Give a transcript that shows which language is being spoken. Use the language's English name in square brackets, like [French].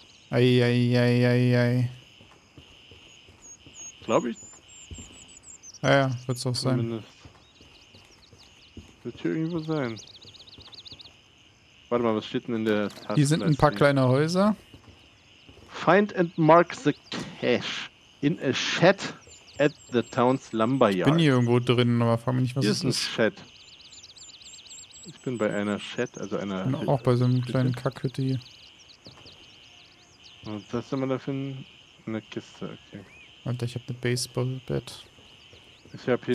[German] Ei. Glaube ich. Ja, wird es auch sein. Zumindest. Wird hier irgendwo sein. Warte mal, was steht denn in der Tasten? Hier sind ein paar kleine Häuser. [English] Find and mark the cache in a shed. At the town's lumberyard. [German] Ich bin hier irgendwo drin, aber frag mich nicht, was hier es ist. Hier ist ein Shed. Ich bin bei einer Shed, also einer. Ich bin auch bei so einem kleinen Kackhütte hier. Und was hast du mal dafür? Eine Kiste, okay. Alter, ich hab ne Baseballbett. Ich hab hier.